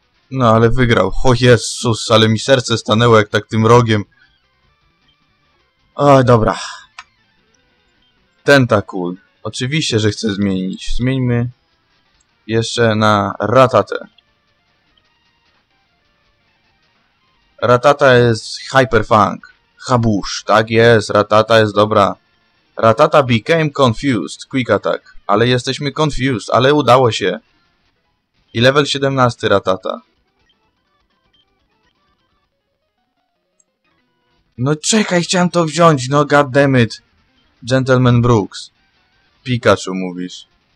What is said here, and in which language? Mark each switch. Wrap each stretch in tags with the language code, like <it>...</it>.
<pl>No, ale wygrał. O Jezus, ale mi serce stanęło, jak tak tym rogiem. Oj, dobra. Tentacool. Oczywiście, że chcę zmienić. Zmieńmy jeszcze na Rattata. Rattata jest Hyperfang. Habusz, tak jest. Rattata jest dobra.</pl> <en>Rattata became confused. Quick attack.</en> <pl>Ale jesteśmy confused, ale udało się. I level 17 Rattata. No czekaj, chciałem to wziąć, no goddammit. Gentleman Brooks. Pikachu mówisz.</pl>